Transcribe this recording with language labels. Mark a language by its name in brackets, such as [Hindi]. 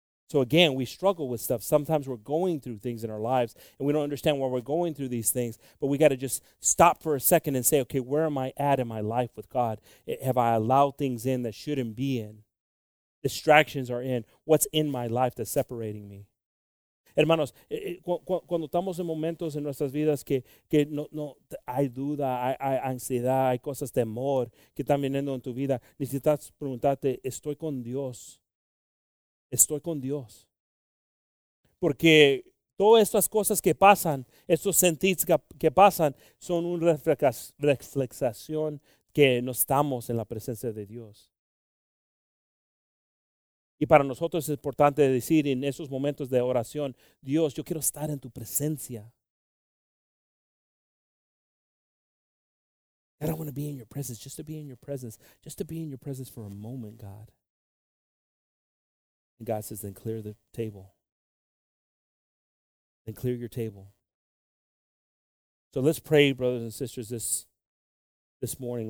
[English] So again, we struggle with stuff. Sometimes we're going through things in our lives and we don't understand why we're going through these things, but we got to just stop for a second and say, okay, where am I at in my life with God? Have I allowed things in that shouldn't be in? Distractions are in. What's in my life that's separating me? [Spanish] Hermanos, cuando estamos en momentos en nuestras vidas que no hay duda, hay ansiedad, hay cosas de temor que están viniendo en tu vida, necesitas preguntarte, ¿estoy con Dios? Estoy con Dios. Porque todas estas cosas que pasan, estos sentidos que pasan, son una reflexión que no estamos en la presencia de Dios. Y para nosotros es importante decir en esos momentos de oración, Dios, yo quiero estar en tu presencia. [English] I don't want to be in your presence, just to be in your presence, just to be in your presence for a moment, God. And God says, then clear the table. Then clear your table. So let's pray, brothers and sisters, this morning.